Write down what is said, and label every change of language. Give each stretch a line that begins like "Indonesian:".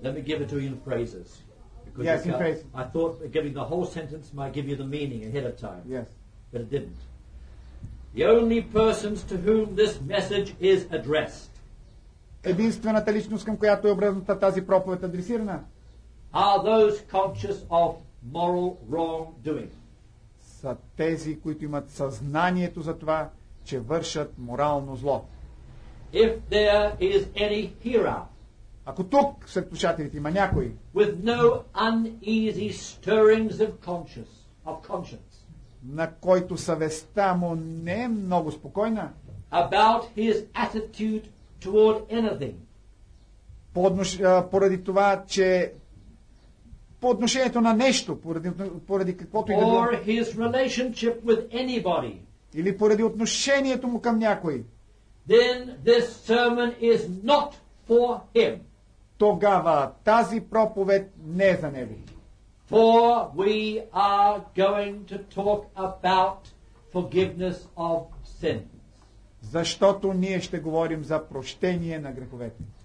English: Let me give it to you in phrases. Yes, in phrases. I thought giving the whole sentence might give you the meaning ahead of time. Yes. But it didn't. The only persons to whom this message is addressed.
Bulgarian: Единствената личност, към която е обръзната тази проповед адресирана.
English: Are those conscious of moral wrongdoing.
Bulgarian: Са тези, които имат съзнанието за това, че вършат морално зло.
English: If there is any hearer.
Bulgarian: Ако тук сред слушателите има някой
English: with no uneasy stirrings of conscience,
Bulgarian: на който съвестта му не е много спокойна
English: about his attitude toward anything,
Bulgarian: поради това, че по отношението на нещо, поради каквото и да било,
English: or his relationship with anybody,
Bulgarian: или поради отношението му към някой,
English: then this sermon is not for him.
Bulgarian: Тогава тази проповед не е за него.
English: For we are going to talk about forgiveness of sins.
Bulgarian: Защото ние ще говорим за прощение на греховете.